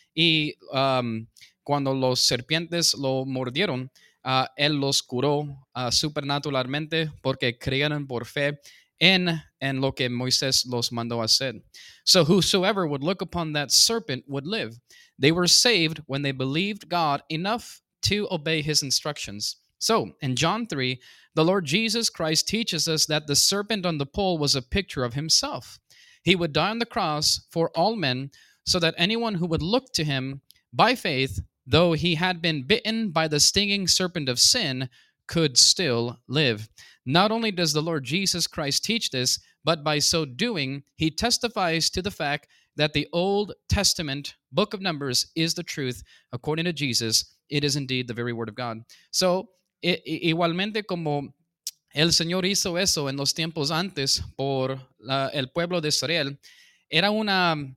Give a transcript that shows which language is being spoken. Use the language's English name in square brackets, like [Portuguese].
[Spanish] Y cuando los serpientes lo mordieron, él los curó supernaturalmente porque creyeron por fe en lo que Moisés los mandó hacer. [English] So whosoever would look upon that serpent would live. They were saved when they believed God enough to obey his instructions. So in John 3, the Lord Jesus Christ teaches us that the serpent on the pole was a picture of himself. He would die on the cross for all men so that anyone who would look to him by faith, though he had been bitten by the stinging serpent of sin, could still live. Not only does the Lord Jesus Christ teach this, but by so doing, he testifies to the fact that the Old Testament book of Numbers is the truth. According to Jesus, it is indeed the very word of God. [Spanish] So, igualmente como el Señor hizo eso en los tiempos antes por el pueblo de Israel, era una...